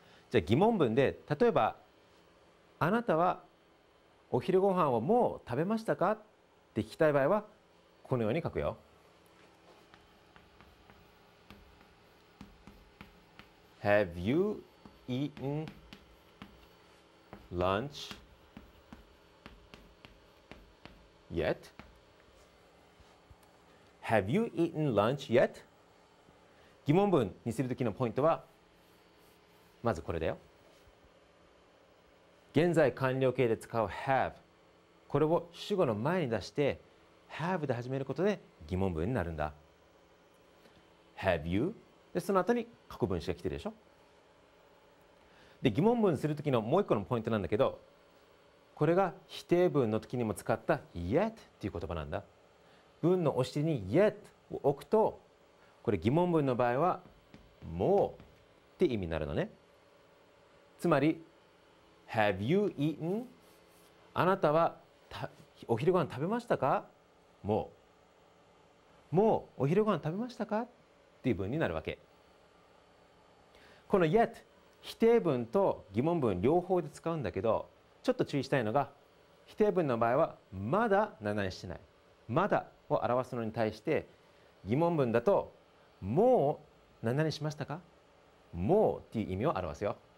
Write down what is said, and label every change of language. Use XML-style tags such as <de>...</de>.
<ja>じゃあ疑問文で、例えばあなたはお昼ご飯をもう食べましたかって聞きたい場合はこのように書くよ。</ja> <en>Have you eaten lunch yet? Have you eaten lunch yet?</en> <ja>疑問文にするときのポイントはまずこれだよ。現在完了形で使う have、 これを主語の前に出して have で始めることで疑問文になるんだ。</ja> <en>Have you?</en> <ja>でその後に過去分詞が来てるでしょ。で疑問文する時のもう一個のポイントなんだけど、これが否定文の時にも使った yet っていう言葉なんだ。文のお尻に yet を置くと、これ疑問文の場合はもうって意味になるのね。</ja> <en>つまり Have you eaten?</en> <ja>あなたはお昼ご飯食べましたか？もう。もうお昼ご飯食べましたか？っていう文になるわけ。この yet、 否定文と疑問文両方で使うんだけど、ちょっと注意したいのが、否定文の場合はまだ何々してない、まだを表すのに対して、疑問文だともう何々しましたか、もうっていう意味を表すよ。</ja>